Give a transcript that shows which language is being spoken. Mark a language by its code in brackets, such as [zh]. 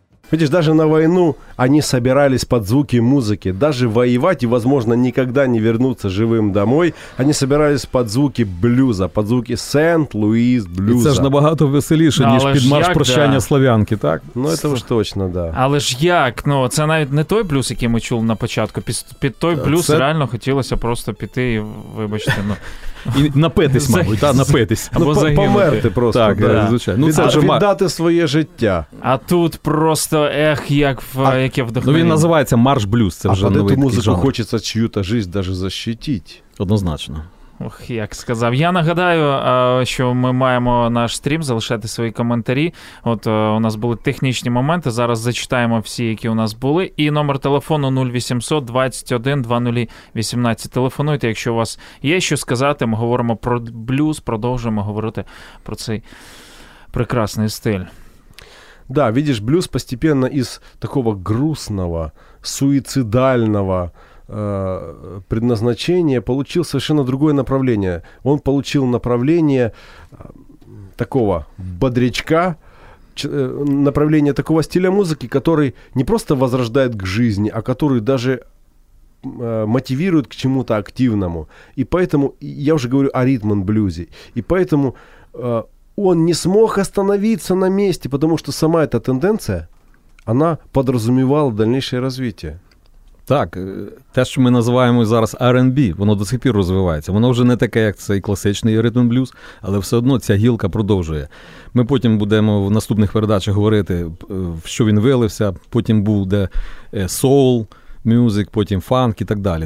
[ru] Видишь, даже на войну они собирались под звуки музыки. Даже воевать и, возможно, никогда не вернуться живым домой, они собирались под звуки блюза, под звуки Сент-Луїс блюза. [uk] Це ж набагато веселіше, ніж під марш прощання слов'янки, так? Ну, це вже точно, да. Але ж як? Ну, це навіть не той блюз, який ми чули на початку. Під той блюз це... реально хотілося просто піти і, вибачте, ну... І напитись, мабуть, так, напитись. Або загинути. Померти просто, так, да, звичайно. Ну, віддати своє життя. А тут просто, ех, як в... яке вдохновення. Ну, він називається марш-блюз, це вже новий такий жанр. А музику хочеться чию-то життя даже защитити. Однозначно. Ох, як сказав. Я нагадаю, що ми маємо наш стрім, залишати свої коментарі. От у нас були технічні моменти, зараз зачитаємо всі, які у нас були. І номер телефону 0800-21-2018. Телефонуйте, якщо у вас є що сказати. Ми говоримо про блюз, продовжуємо говорити про цей прекрасний стиль. [ru] Да, видиш, блюз постепенно із такого грустного, суїцидального предназначение получил совершенно другое направление. Он получил направление такого бодрячка, направление такого стиля музыки, который не просто возрождает к жизни, а который даже мотивирует к чему-то активному. И поэтому, я уже говорю о ритм-блюзе, и поэтому он не смог остановиться на месте, потому что сама эта тенденция, она подразумевала дальнейшее развитие. [uk] Так, те, що ми називаємо зараз R&B, воно до сих пір розвивається. Воно вже не таке, як цей класичний ритм-блюз, але все одно ця гілка продовжує. Ми потім будемо в наступних передачах говорити, в що він вилився, потім буде soul music, потім фанк і так далі.